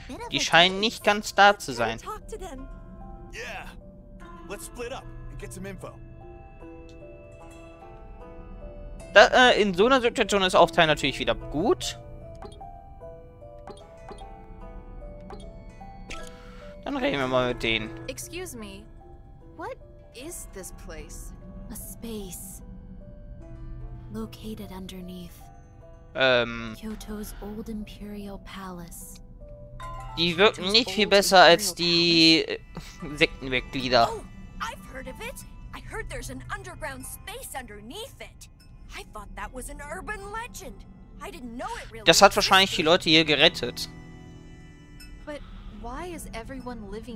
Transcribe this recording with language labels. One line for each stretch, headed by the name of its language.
German: Die scheinen nicht ganz da zu sein.
English: Yeah. Let's split up and get some info.
German: Da, in so einer Situation ist Aufteilen natürlich wieder gut. Dann reden wir mal mit denen.
English: Excuse me. What is this place? A space. Located underneath. Kyoto's old imperial palace.
German: Die wirken nicht viel besser als die Sektenmitglieder.
English: Oh, I've heard of it. I heard there's an underground space underneath it. I thought that was an urban legend. I didn't know it really.
German: Das hat wahrscheinlich die Leute hier gerettet.
English: But why is everyone living?